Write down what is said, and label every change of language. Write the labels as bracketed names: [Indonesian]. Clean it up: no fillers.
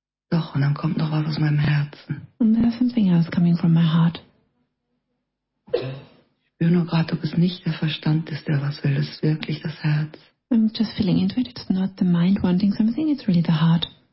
[German] Doch, und dann kommt noch was aus meinem Herzen. [English] And there's something else coming from my heart. [German] Ich spüre nur gerade, ob es nicht der Verstand ist, der was will. Es ist wirklich das Herz. [English] I'm just feeling into it. It's not the mind wanting something. It's really the heart.